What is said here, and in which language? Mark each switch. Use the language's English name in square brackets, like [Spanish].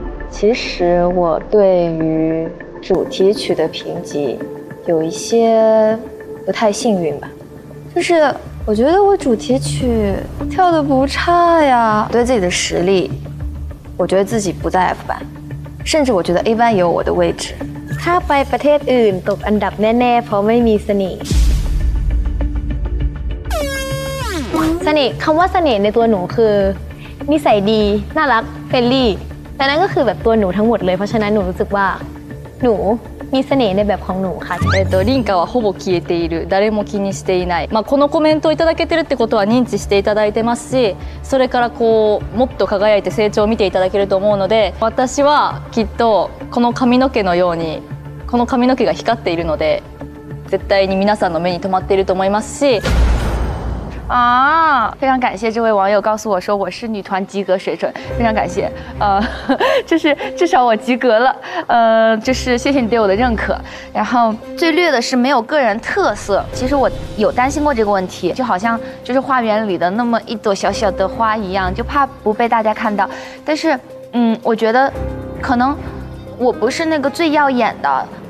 [Chinese] 其实我对于主题曲的评级有一些不太幸运吧就是我觉得我主题曲跳得不差呀对自己的实力我觉得自己不在 F 班甚至我觉得 A 班也有我的位置 [Thai] ถ้าไปประเทศอื่นตกอันดับแน่ๆเพราะไม่มีเสน่ห์เ สน่ห์คำว่าเสน่ห์ในตัวหนูคือนิสัยดีน่ารักเฟรนลี่แต่นั้นก็คือแบบตัวหนูทั้งหมดเลยเพราะฉะนั้นหนูรู้สึกว่าหนูมีเสน่ห์ในแบบของหนูค่ะ [Japanese] ริงกาはほぼ消えている誰も気にしていないまあこのコメントをいただけてるってことは認知していただいてますしそれからこうもっと輝いて成長を見ていただけると思うので私はきっとこの髪の毛のようにこの髪の毛が光っているので絶対に皆さんの目に留まっていると思いますし [Chinese] あ非常感谢这位网友告诉我说我是女团及格水准非常感谢就是至少我及格了就是谢谢你对我的认可然后最略的是没有个人特色其实我有担心过这个问题就好像就是花园里的那么一朵小小的花一样就怕不被大家看到但是我觉得可能我不是那个最耀眼的